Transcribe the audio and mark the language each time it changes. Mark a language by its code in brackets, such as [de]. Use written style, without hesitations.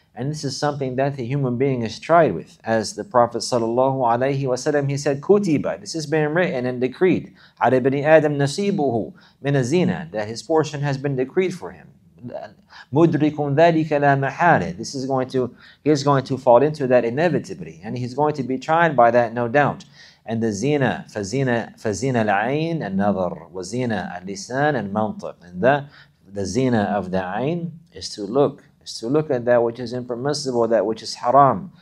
[en] And this is something that the human being is tried with. As the Prophet sallallahu alayhi wa sallam, he said, kutiba, this has been written and decreed, ala ibn Adam nasibuhu min az-zina, that his portion has been decreed for him. [ar] مُدْرِكُمْ ذَلِكَ لَا مَحَالَ. [en] He is going to fall into that inevitably, and he's going to be tried by that, no doubt. And the zina, [ar] فَزِينَ الْعَيْنِ النَّظَرُ وَزِينَ الْلِسَانِ الْمَنْطِقِ. [en] And the zina of the ayn is to look at that which is impermissible, that which is haram.